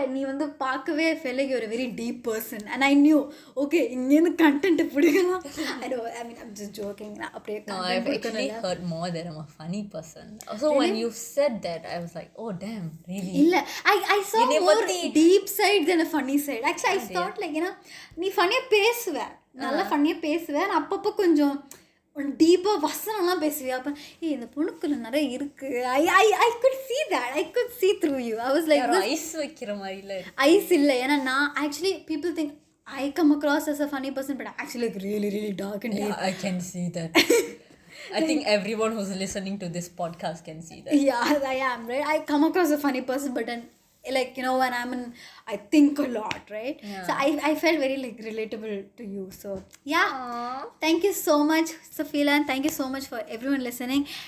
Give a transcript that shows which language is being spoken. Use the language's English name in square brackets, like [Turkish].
[English] I felt like you're a very deep person. And I knew, okay, [Tamil] ingen content pudikala. [English] I don't, I mean, I'm just joking. No, I've actually heard more that I'm a funny person. Also, really? When you said that, I was like, oh, damn, really? [Tamil] Illa. [English] I saw more deep side than a funny side. Actually, I thought like, you know, [Tamil] நீ ஃபன்னியாக பேசுவே, நல்லா ஃபன்னியாக பேசுவே, அப்பப்போ கொஞ்சம் டீப்பா வசனம்லாம் பேசுவியா? அப்ப ஏய், இந்த புணுக்குள்ள நிறைய இருக்கு. [English] I could see that. I could see through you. I was like, [Tamil] ice வைக்கிற மாதிரி இல்ல, ஐஸ் இல்ல. ஏன்னா நான் [English] Actually people think I come across as a funny person, but actually like really really dark and deep. I can see that. I think everyone who's listening to this podcast can see that. Yeah, I am, right? I come across a funny person, but then like, you know, when I'm in, I think a lot, right? Yeah. So I felt very like relatable to you. So yeah. Aww. Thank you so much, Safila, and thank you so much for everyone listening.